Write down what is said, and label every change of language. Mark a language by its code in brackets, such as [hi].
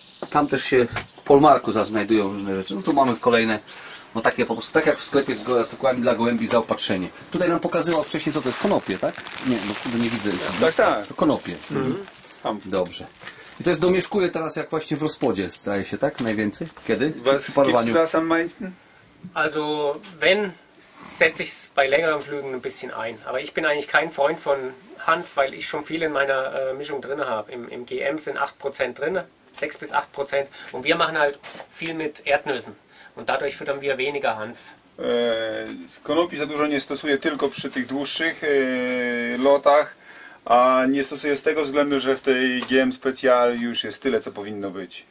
[pl] Tam też się Polmarku znajdują różne rzeczy. No tu mamy kolejne, no takie po prostu, tak jak w sklepie z artykułami dla gołębi zaopatrzenie. Tutaj nam pokazywał wcześniej, co to jest, konopie, tak? Nie, no kurde, nie widzę. Tak, tak. To konopie. Mhm. Dobrze. I to jest domieszkuje teraz jak właśnie w rozpłodzie, zdaje się, tak? Najwięcej? Kiedy? Przy parowaniu? [de] Was gibt's das am meisten? Also, wenn, setze ich es bei längeren Flügen ein bisschen ein. Aber ich bin eigentlich kein Freund von Hanf, weil ich schon viel in meiner Mischung drin habe. Im GM sind 8% drin, 6-8%. Und wir machen halt viel mit Erdnüssen. Und dadurch füttern wir weniger Hanf. [pl] Konopi za dużo nie stosuje tylko przy tych dłuższych lotach. A nie stosuje z tego względu, że w tej GM Special już jest tyle, co powinno być.